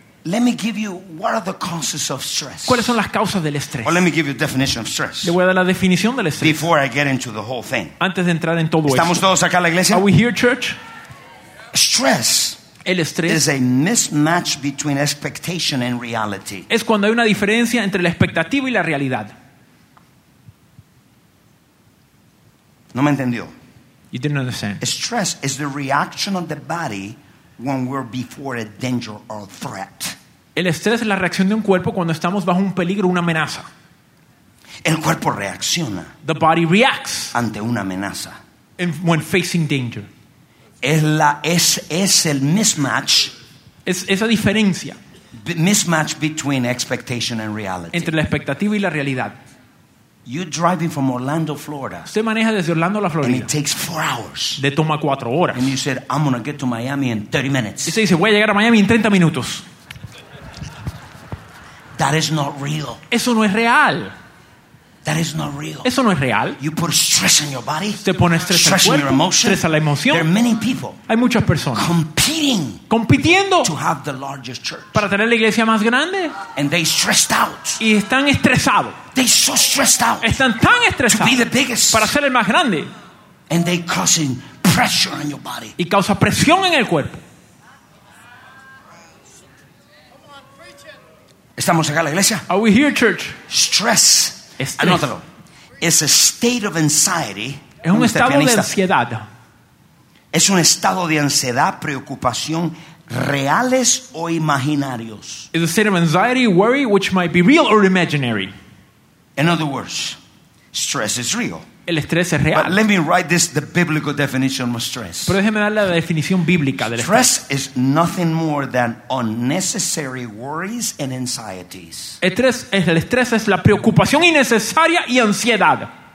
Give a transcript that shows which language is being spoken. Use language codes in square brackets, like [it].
[en] Let me give you what are the causes of stress. [es] ¿Cuáles son las causas del estrés? [en] Or let me give you a definition of stress. [es] Le voy a dar la definición del estrés. [en] Before I get into the whole thing. [es] Antes de entrar en todo esto. ¿Estamos todos acá en la iglesia? [en] Are we here, church? Stress. [es] El estrés [en] is a mismatch between expectation and reality. [es] Es cuando hay una diferencia entre la expectativa y la realidad. No me entendió. [en] You didn't understand. Stress is the reaction of the body when we're before a danger or a threat. [es] El estrés es la reacción de un cuerpo cuando estamos bajo un peligro, una amenaza. El cuerpo reacciona. [en] The body reacts. [es] Ante una amenaza. [en] When facing danger. [es] Es el mismatch. Es esa diferencia. [en] Mismatch between expectation and reality. [es] Entre la expectativa y la realidad. [en] You're driving from Orlando, Florida. [es] Usted maneja desde Orlando a la Florida. [en] And it takes 4 hours. [es] Le toma 4 horas. [en] And you said, I'm gonna get to Miami in 30 minutes. [es] Y usted dice, voy a llegar a Miami en 30 minutos. [en] That is not real. [es] Eso no es real. [en] That is not real. [es] Eso no es real. [en] You put stress on your body. [es] Te pone estrés en el cuerpo. Estrés a la emoción. [en] There are many people. [es] Hay muchas personas. [en] Competing. [es] Compitiendo. [en] To have the largest church. [es] Para tener la iglesia más grande. [en] And they stressed out. [es] Y están estresados. [en] They so stressed out. [es] Están tan estresados. [en] To be the biggest. [es] Para ser el más grande. [en] And they causing pressure on your body. [es] Y causa presión en el cuerpo. ¿Estamos acá en la iglesia? [en] Are we here, church? Stress. Anótalo. It's a state of anxiety. [es] Es un estado de ansiedad. Es un estado de ansiedad, preocupación, reales o imaginarios. [en] It's a state of anxiety, worry, which might be real or imaginary. In other words, stress is real. [es] El estrés es real. [en] But let me write this, the biblical definition of stress. [es] Pero déjeme darle la definición bíblica del [en] stress [es] estrés. [en] Stress is nothing more than unnecessary worries and anxieties. [es] El estrés es la preocupación innecesaria y ansiedad.